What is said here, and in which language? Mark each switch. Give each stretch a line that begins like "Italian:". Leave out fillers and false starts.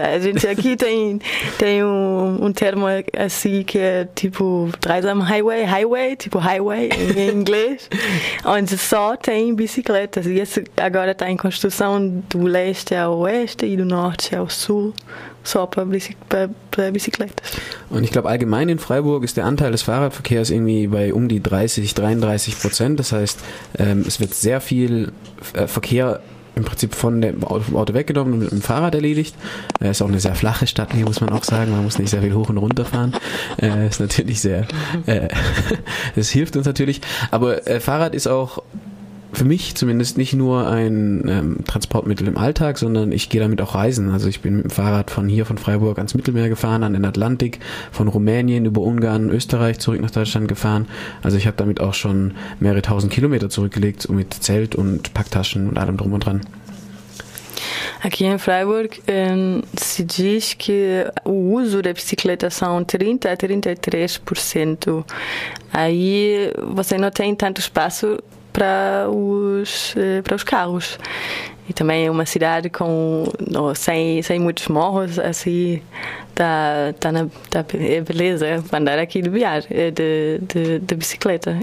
Portuguese: A gente aqui tem um termo assim que é tipo Dreisam Highway, tipo highway em inglês, onde só tem bicicletas. E esse agora está em construção do leste ao oeste e do norte ao sul. So, per Bicicleta.
German: Und ich glaube, allgemein in Freiburg ist der Anteil des Fahrradverkehrs irgendwie bei um die 30-33%. Das heißt, es wird sehr viel Verkehr im Prinzip vom Auto weggenommen und mit dem Fahrrad erledigt. Es ist auch eine sehr flache Stadt, hier muss man auch sagen. Man muss nicht sehr viel hoch und runter fahren. Ist natürlich sehr. Es hilft uns natürlich. Aber Fahrrad ist auch für mich zumindest nicht nur ein Transportmittel im Alltag, sondern ich gehe damit auch reisen. Also ich bin mit dem Fahrrad von hier, von Freiburg, ans Mittelmeer gefahren, an den Atlantik, von Rumänien über Ungarn, Österreich zurück nach Deutschland gefahren. Also ich habe damit auch schon mehrere tausend Kilometer zurückgelegt, mit Zelt und Packtaschen und allem drum und dran.
Portuguese: Aqui em Freiburg se diz que o uso da bicicleta são 30 a 33%. Aí você não tem tanto espaço para os carros. E também é uma cidade com sem muitos morros, assim, tá é beleza andar aqui de bicicleta.